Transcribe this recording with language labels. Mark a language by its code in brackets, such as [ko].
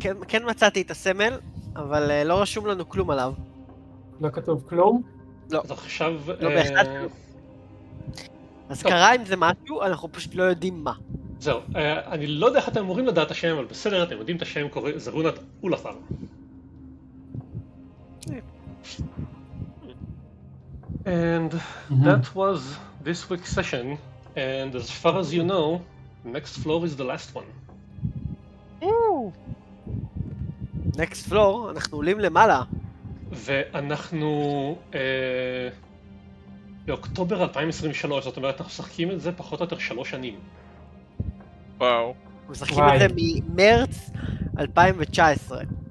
[he] כן מצאתי את הסמל, אבל לא רשום לנו כלום עליו. לא כתוב כלום? לא. אז עכשיו... לא בהחלט כלום. אז קרה אם זה משהו, אנחנו פשוט לא יודעים מה. זהו, אני לא יודע איך אתם אמורים לדעת השם, אבל בסדר, אתם יודעים את השם, קוראים זרונת אולאפר. [en] And that was this week's session, and as far as you know, next floor is the last one. Next floor, [he] אנחנו עולים למעלה. ואנחנו באוקטובר 2023, זאת אומרת, אנחנו משחקים את זה פחות או יותר 3 שנים. וואו. משחקים את זה ממרץ 2019.